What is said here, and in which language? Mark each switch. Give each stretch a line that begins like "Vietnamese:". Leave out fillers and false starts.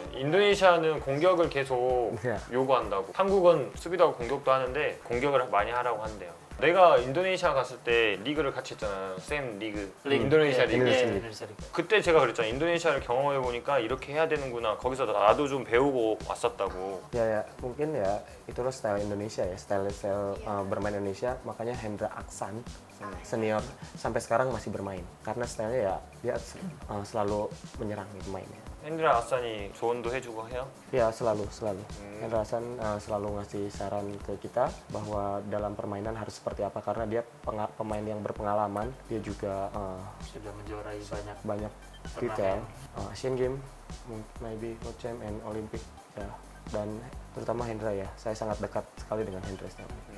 Korean: 인도네시아는 공격을 계속 요구한다고. 한국은 수비도 하고 공격도 하는데 공격을 많이 하라고 한대요. 내가 인도네시아 갔을 때 리그를 같이 했잖아요. 샘 리그. 인도네시아 리그. 그때 제가 그랬잖아요. 인도네시아를 경험해 보니까 이렇게 해야 되는구나. 거기서 나도 좀 배우고 왔었다고. 야야, 뭔 게냐? 이토로 스타일 인도네시아
Indonesian: ya, style bermain Indonesia.
Korean: 막아냐 핸드라 악산.
Indonesian: Senior sampai sekarang masih bermain. Karena style-nya ya dia selalu menyerang pemainnya.
Korean: 핸드라 악산이 조언도 해 주고 해요?
Indonesian: Ya, selalu. 핸드라 악산 selalu ngasih saran ke kita bahwa dalam permainan harus seperti apa, karena dia pemain yang berpengalaman, dia juga sudah menjuarai banyak
English: detail Asian Game, maybe World Champ and Olympic ya.
Indonesian: Dan terutama Hendra ya, saya sangat dekat sekali dengan Hendra sekarang.